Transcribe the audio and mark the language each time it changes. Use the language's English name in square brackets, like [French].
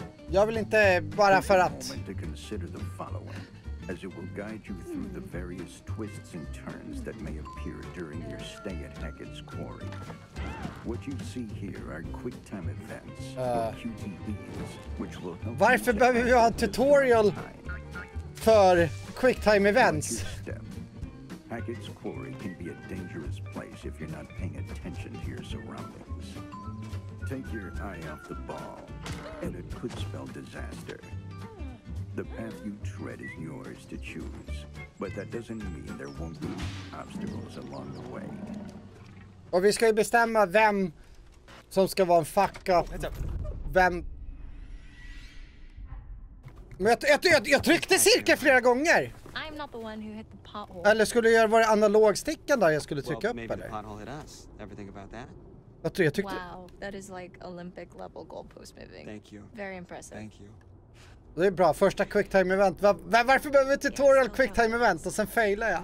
[Swedish] Jag vill inte bara för att [English] to consider the following as it will guide you through the various twists and turns that may appear during your stay at Hackett's Quarry. What you see here are quick time events QTEs, which will help. [Swedish] Varför behöver vi ha tutorial för quick time events? [English] Hackett's Quarry can be a dangerous place if you're not paying attention to your surroundings. Take your eye off the ball, and it could spell disaster. The path you tread is yours to choose, but that doesn't mean there won't be obstacles along the way. [Swedish] Och vi ska ju bestämma vem som ska vara en fuck up. Vem? Men jag tryckte cirka flera gånger. [English] I'm not the one who hit the pothole. [Swedish] Eller skulle jag vara analogstickan där jag skulle trycka upp eller? [English] Well, maybe the pothole hit us. Ever think about that? [Swedish] Jag tyckte... [English] Wow, that is like Olympic level goalpost moving. Thank you. Very impressive. Thank you. [Swedish] Det är bra, första quick time event. Varför behöver vi tutorial quick time event och sen failar jag?